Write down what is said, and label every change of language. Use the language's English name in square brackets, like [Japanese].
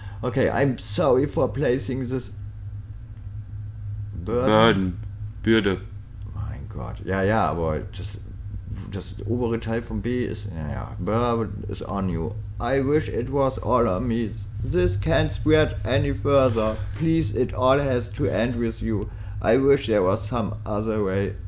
[English] Okay, I'm sorry for placing this... Burden. Bürde. [German] Mein Gott. Ja, aber das obere Teil vom B ist... [English] Naja, Burden is on you. I wish it was all on me. This can't spread any further. Please, it all has to end with you. I wish there was some other way.